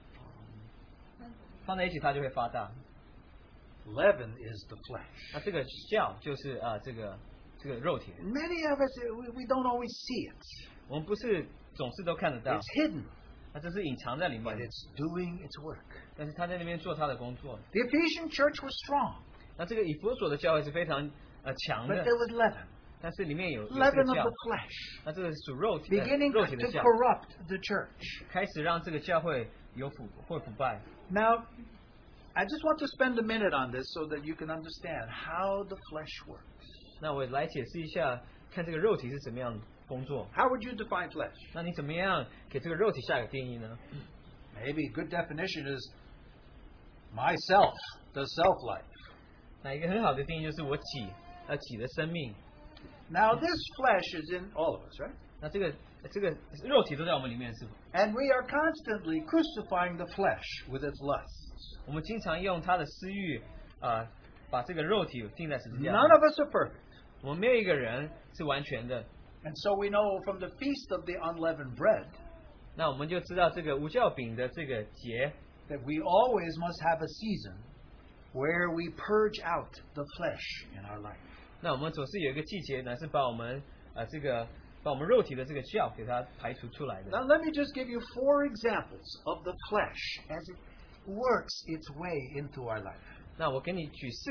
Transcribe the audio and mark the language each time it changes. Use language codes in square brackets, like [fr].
[zh] 天国的福音就像这个酵，那它把它放在一起的时候，它就会放在一起，它就会发大。 [en] Leaven is the flesh. [zh] 那这个酵就是这个肉体。 [en] Many of us we don't always see it. [zh] 我们不是总是都看得到。 [en] It's hidden. [zh] 那这是隐藏在里面。 [en] But it's doing its work. [zh] 但是他在那边做他的工作。 [en] The Ephesian church was strong. [zh] 那这个以弗所的教会是非常强的。 [en] But there was leaven. [zh] 但是里面有这个酵。 [en] Leaven of the flesh. [zh] 那这个是肉体的酵。 [en] Beginning to corrupt the church. [zh] 开始让这个教会有腐败。 [en] Now. I just want to spend a minute on this so that you can understand how the flesh works. [zh] 那我来解释一下，看这个肉体是怎么样工作。 [en] How would you define flesh? [zh] 那你怎么样给这个肉体下一个定义呢？ [en] Maybe a good definition is myself, the self-life. [zh] 那一个很好的定义就是我己的生命。 [en] Now this flesh is in all of us, right? [zh] 那这个肉体都在我们里面，是吧？ [en] And we are constantly crucifying the flesh with its lusts. [zh] 我们经常用他的私欲，把这个肉体钉在十字架上。 [en] None of us are perfect. [zh] 我们没有一个人是完全的。And [en] so we know from the feast of the unleavened bread. [zh] 那我们就知道这个无酵饼的这个节。That [en] we always must have a season where we purge out the flesh in our life. [zh] 那我们总是有一个季节，乃是把我们肉体的这个酵给它排除出来的。 [en] Now let me just give you four examples of the flesh as it works its way into our life.